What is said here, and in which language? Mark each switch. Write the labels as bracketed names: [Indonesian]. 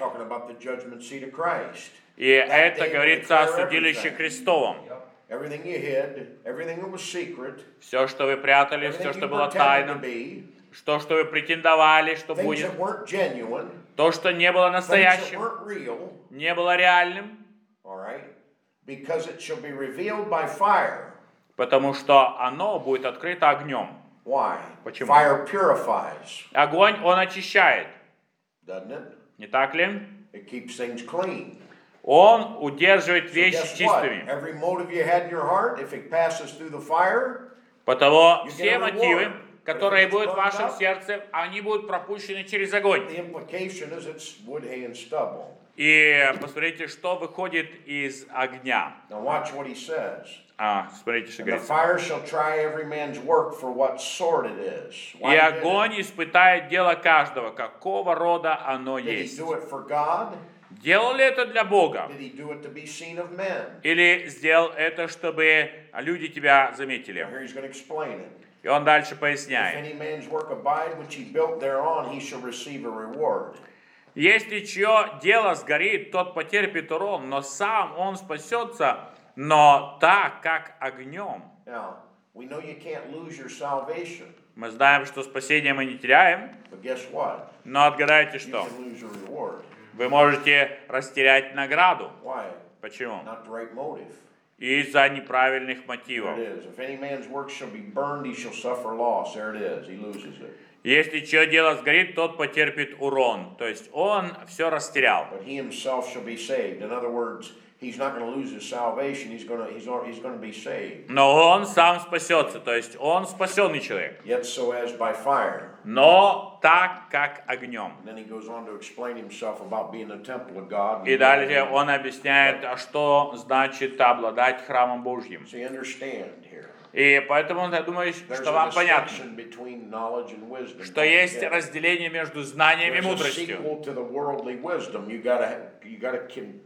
[English] We're talking about the judgment seat of Christ. [Russian] И это говорится о судилище Христовом. [English] Everything you hid, everything that was secret. [Russian] Все, что вы прятали, все, что было тайным. Что, что вы претендовали, что будет. [English] Things that weren't genuine. [Russian] То, что не было настоящим. [English] Things that weren't real. [Russian] Не было реальным. [English] All right. Because it shall be revealed by fire. [Russian] Потому что оно будет открыто огнем. [English] Why? [Russian] Почему? [English] Fire purifies. [Russian] Огонь, он очищает. [English] Doesn't it? [Russian] Не так ли? [English] It keeps things clean. [Russian] Он удерживает вещи чистыми. [English] Every motive you had in your heart, if it passes through the fire, [Russian] потому все мотивы, которые будут в вашем сердце, они будут пропущены через огонь. [English] The implication is it's wood, hay, and stubble. [Russian] И посмотрите, что выходит из огня. [English] Now watch what he says. [Russian] Смотрите, что говорится. [English] The fire shall try every man's work for what sort it is. [Russian] И огонь испытает дело каждого, какого рода оно есть. [English] Did he do it for God? [Russian] Делал ли это для Бога? [English] Did he do it to be seen of men? [Russian] Или сделал это, чтобы люди тебя заметили? [English] Here he's going to explain it. [Russian] И он дальше поясняет. [English] If any man's work abide which he built thereon, he shall receive a reward. [Russian] Если чье дело сгорит, тот потерпит урон, но сам он спасется, но так, как огнем. [English] Now, we know you can't lose your salvation. [Russian] Мы знаем, что спасение мы не теряем. [English] But guess what? [Russian] Но отгадайте что? [English] You can lose your reward. [Russian] Вы можете растерять награду. [English] Why? [Russian] Почему? [English] Not the right motive. [Russian] Из-за неправильных мотивов. [English] There it is. If any man's work shall be burned, he shall suffer loss. There it is. He loses it. [Russian] Если чье дело сгорит, тот потерпит урон. То есть он все растерял. [English] But he himself shall be saved. In other words, he's not going to lose his salvation. He's going to be saved. [Russian] Но он сам спасется. То есть он спасенный человек. [English] Yet so as by fire. [Russian] Но так, как огнем. [English] And then he goes on to explain himself about being a temple of God. [Russian] И далее он объясняет, а что значит обладать храмом Божьим. [English] So you understand. [Russian] И поэтому, я думаю, что вам понятно, что есть разделение между знанием и мудростью.